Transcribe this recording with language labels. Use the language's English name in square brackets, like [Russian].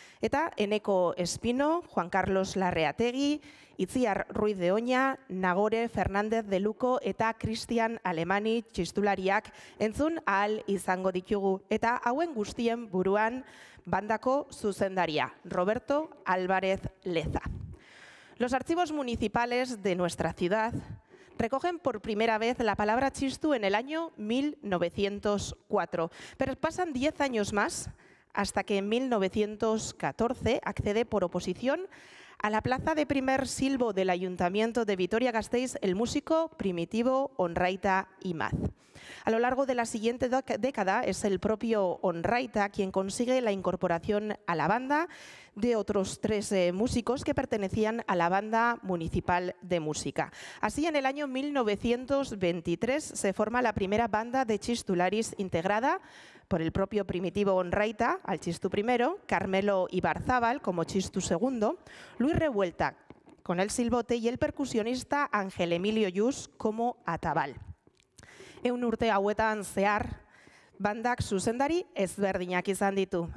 [Basque] Eta Eneko Espino, Juan Carlos Larreategi, Itziar Ruiz de Oña, Nagore Fernández de Luco eta Cristian Alemani txistulariak entzun ahal izango ditugu. Eta hauen guztien buruan bandako zuzendaria, Roberto Álvarez Leza. [Spanish] Los archivos municipales de nuestra ciudad recogen por primera vez la palabra txistu en el año 1904, pero pasan 10 años más hasta que en 1914 accede por oposición a la plaza de primer silbo del Ayuntamiento de Vitoria-Gasteiz el músico primitivo Onraita Imaz. A lo largo de la siguiente década es el propio Onraita quien consigue la incorporación a la banda de otros tres músicos que pertenecían a la Banda Municipal de Música. Así, en el año 1923 se forma la primera banda de Txistularis integrada por el propio primitivo Onraita, al Txistu primero, Carmelo Ibarzábal como Txistu segundo, Luis Revuelta con el silbote y el percusionista Ángel Emilio Lluz como atabal. [Basque] Ehun urte hauetan zehar, bandak zuzendari ezberdinak izan ditu.